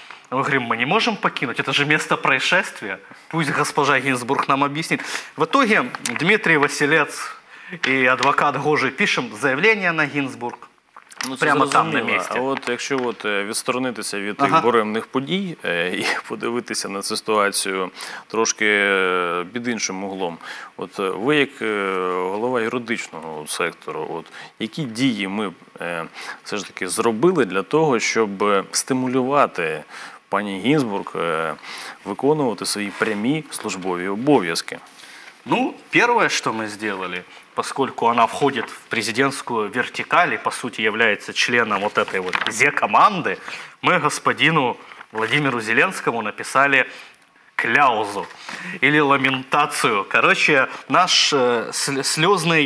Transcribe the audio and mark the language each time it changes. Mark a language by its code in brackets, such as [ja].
[ru] Мы говорим, мы не можем покинуть, это же место происшествия. Пусть госпожа Гинзбург нам объяснит. В итоге Дмитрий Василец и адвокат Гожий пишем заявление на Гинзбург. [uk] Ну, це прямо зрозуміло. Там на місці. А от якщо от відсторонитися від тих буремних подій і подивитися на цю ситуацію трошки під іншим углом, от ви як голова юридичного сектору, от які дії ми все ж таки зробили для того, щоб стимулювати пані Гінзбург виконувати свої прямі службові обов'язки? Ну, перше, що ми зробили, [ru] поскольку она входит в президентскую вертикаль и, по сути, является членом вот этой вот Зе-команды, мы господину Владимиру Зеленскому написали кляузу или ламентацию. Короче, наш слезный...